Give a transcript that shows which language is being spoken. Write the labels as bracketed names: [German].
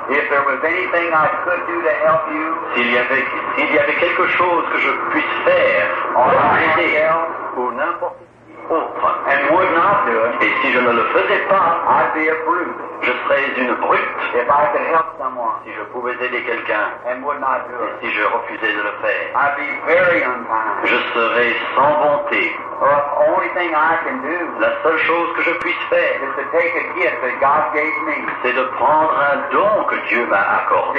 [English] If there was anything I could do to help you. [French] S'il y avait quelque chose que je puisse faire. [English] Or anything else. [French] Ou n'importe qui autre. [English] And would not do it. [French] Et si je ne le faisais pas. [English] I'd be a brute. [French] Je serais une brute. [English] If I could help someone. [French] Si je pouvais aider quelqu'un. [English] And would not do it. [French] Et si je refusais de le faire. [English] I'd be very unkind. [French] Je serais sans bonté. [English] Only thing I can do, [French] la seule chose que je puisse faire, [English] is to take a gift that God gave me, [French] c'est de prendre un don que Dieu m'a accordé,